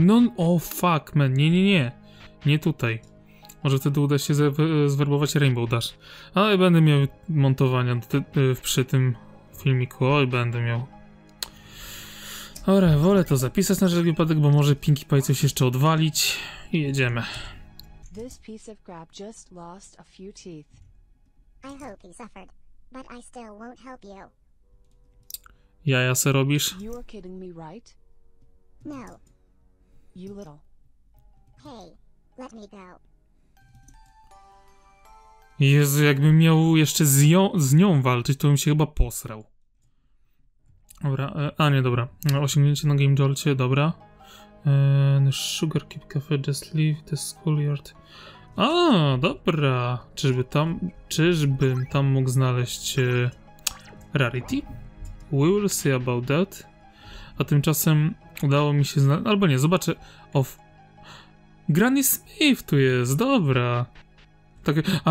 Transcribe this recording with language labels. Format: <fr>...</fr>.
<pl>No,</pl> <en>oh fuck man,</en> <pl>nie. Nie tutaj. Może wtedy uda się zwerbować Rainbow Dash. Ale będę miał montowania przy tym filmiku. Oj, będę miał. Dobra, wolę to zapisać na żaden wypadek, bo może Pinkie Pie coś jeszcze odwalić. I jedziemy.</pl> <en>This piece of crap just lost a few teeth. I hope he suffered, but I still won't help you.</en> <pl>Jaja se robisz?</pl> <en>You are kidding me, right? No. You little. Hey, let me go.</en> <pl>Jezu, jakbym miał jeszcze z nią walczyć, to bym się chyba posrał. Dobra, a nie, dobra. Osiągnięcie na Game Jolcie, dobra.</pl> <en>Sugar Keep Cafe, just leave the schoolyard.</en> <pl>A, dobra. Czyżbym tam mógł znaleźć Rarity?</pl> <en>We will see about that.</en> <pl>A tymczasem udało mi się znaleźć... Albo nie, zobaczę. Granny Smith tu jest, dobra. Takie...</pl>